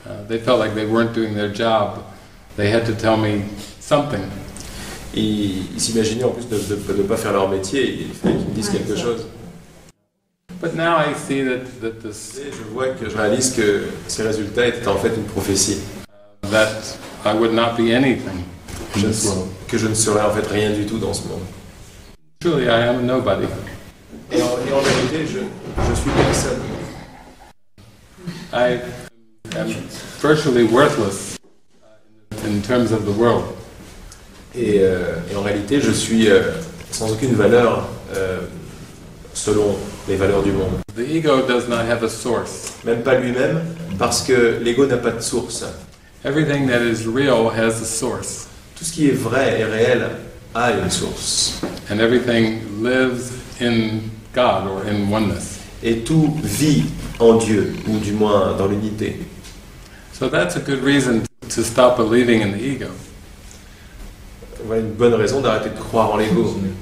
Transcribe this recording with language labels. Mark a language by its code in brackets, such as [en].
[en] They felt like they weren't doing their job. They had to tell me something. [fr] Ils s'imaginaient en plus de pas faire leur métier, il fallait qu'ils me disent quelque chose. [en] But now I see that this. [fr] Et je vois que je réalise que ces résultats étaient en fait une prophétie. [en] That I would not be anything. [fr] Que je ne serais en fait rien du tout dans ce monde. [en] Truly, I am nobody. [fr] Et en vérité, je suis personne. [en] I am virtually worthless in terms of the world. [fr] Et en réalité, je suis sans aucune valeur selon les valeurs du monde. [en] The ego does not have a source. [fr] Même pas lui-même, parce que l'ego n'a pas de source. [en] Everything that is real has a source. [fr] Tout ce qui est vrai et réel a une source. [en] And everything lives in God or in oneness. [fr] Et tout vit en Dieu, ou du moins dans l'unité. [en] So that's a good reason to stop believing in the ego. [fr] Voilà une bonne raison d'arrêter de croire en l'ego.